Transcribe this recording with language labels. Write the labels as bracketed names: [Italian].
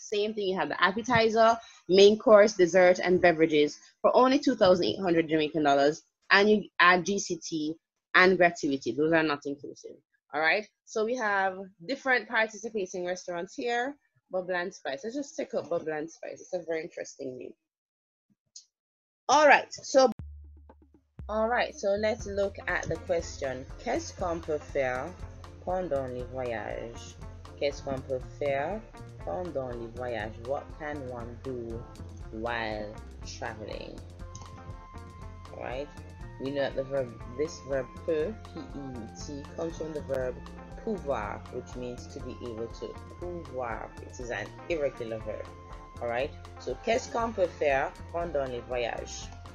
[English] Same thing, you have the appetizer, main course, dessert, and beverages for only 2,800 Jamaican dollars, and you add GCT and gratuity. Those are not inclusive. All right. So we have different participating restaurants here. Bubble and Spice. Let's just check out Bubble and Spice. It's a very interesting name. All right, so let's look at the question. [French] Qu'est-ce qu'on peut faire pendant le voyage? Qu'est-ce qu'on peut faire pendant le voyage? [English] What can one do while traveling? All right, we know that the verb, this verb peut, P-E-U-T, comes from the verb pouvoir, which means to be able to. Pouvoir, it is an irregular verb. All right, so [French] qu'est-ce qu'on peut faire pendant le voyage?